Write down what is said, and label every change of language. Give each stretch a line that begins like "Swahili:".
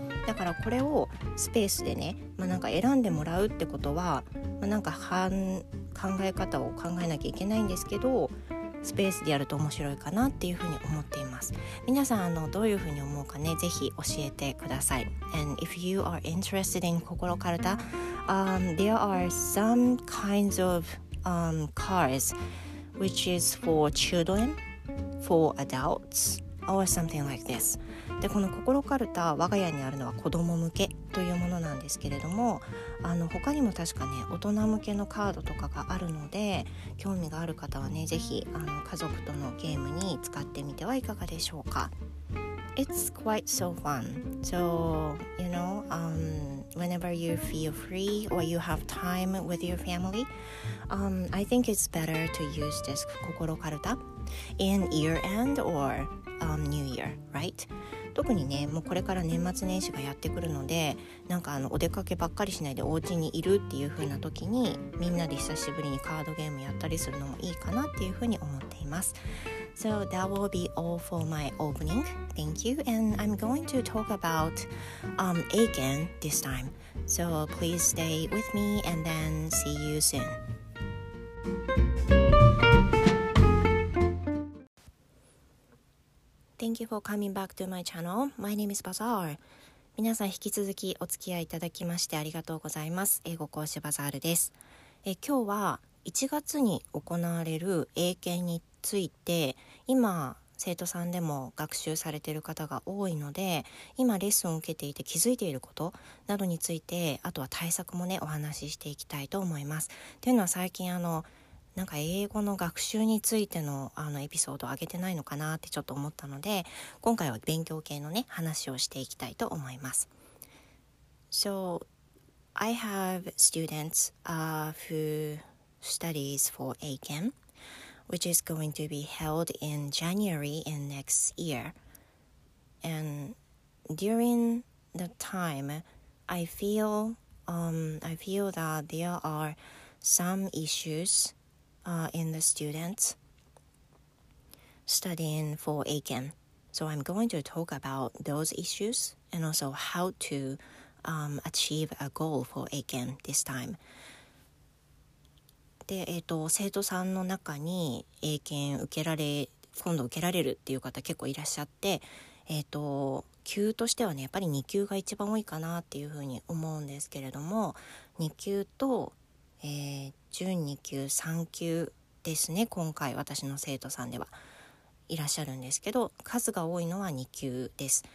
Japanese: だからこれをスペースでね、まあ、なんか選んでもらうってことは、まあ、なんか考え方を考えなきゃいけないんですけど、スペースでやると面白いかなっていうふうに思っています。皆さん、どういうふうに思うかね、ぜひ教えてください。
English: And if you are interested in心カルタ、there are some kinds of cards which is for children, for adults, or something like this.
Japanese: で、この心カルタ、我が家にあるのは子供向けというものなんですけれども、他にも確かね、大人向けのカードとかがあるので、興味がある方はね、ぜひ家族とのゲームに使ってみてはいかがでしょうか。
English: It's quite so fun. So, you know, whenever you feel free or you have time with your family, I think it's better to use this Kokoro Karuta in year end or new year, right?
Japanese: 特にね、もうこれから年末年始がやってくるので、なんかお出かけばっかりしないでお家にいるっていう風な時に、みんなで久しぶりにカードゲームやったりするのもいいかなっていう風に思っています。
English: So that will be all for my opening. Thank you. And I'm going to talk about Aiken this time. So please stay with me and then see you soon. Thank you for coming back to my channel. My name is Bazaar.
Japanese: 皆さん、引き続きお付き合いいただきましてありがとうございます。英語講師バザールです。今日は1月に行われる英検について、今生徒さんでも学習されている方が多いので、今レッスンを受けていて気づいていることなどについて、あとは対策もね、お話ししていきたいと思います。というのは、最近なんか英語の学習についてのエピソードを上げてないのかなってちょっと思ったので、今回は勉強系のね、話をしていきたいと思います。
English: So I have students who studies for AKEN, which is going to be held in January in next year. And during the time, I feel that there are some issues in the students studying for AKEN. So I'm going to talk about those issues and also how to achieve a goal for AKEN this time.
Japanese: で、生徒さんの中に AKEN 受けられるっていう方結構いらっしゃって、級としてはね、やっぱり2級が一番多いかなっていうふうに思うんですけれども、2級と準2級3級ですね、今回私の生徒さんではいらっしゃるんですけど、数が多いのは2級です。